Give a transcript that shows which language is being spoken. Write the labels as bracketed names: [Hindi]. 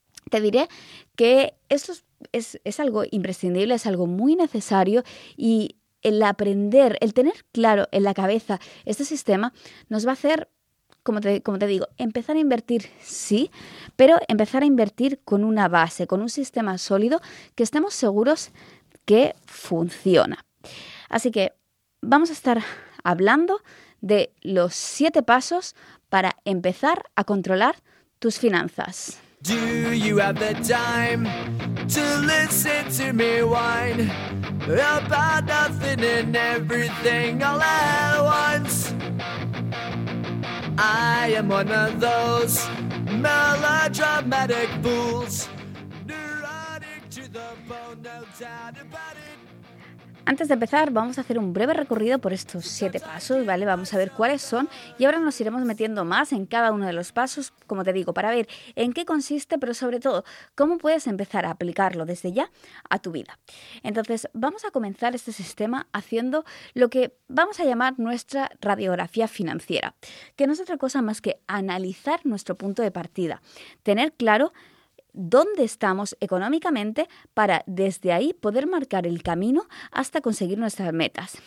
[Spanish] Te diré que eso es algo imprescindible, es algo muy necesario, y el aprender, el tener claro en la cabeza este sistema nos va a hacer, como te digo, empezar a invertir, sí, pero empezar a invertir con una base, con un sistema sólido que estemos seguros que funciona. Así que vamos a estar hablando de los siete pasos para empezar a controlar tus finanzas. [English] Do you have the time to listen to me whine about nothing and everything all at once? I am one of those melodramatic fools, neurotic to the bone, no doubt about it. [Spanish] Antes de empezar, vamos a hacer un breve recorrido por estos siete pasos, ¿vale? Vamos a ver cuáles son y ahora nos iremos metiendo más en cada uno de los pasos, como te digo, para ver en qué consiste, pero sobre todo, cómo puedes empezar a aplicarlo desde ya a tu vida. Entonces, vamos a comenzar este sistema haciendo lo que vamos a llamar nuestra radiografía financiera, que no es otra cosa más que analizar nuestro punto de partida, tener claro dónde estamos económicamente para desde ahí poder marcar el camino hasta conseguir nuestras metas.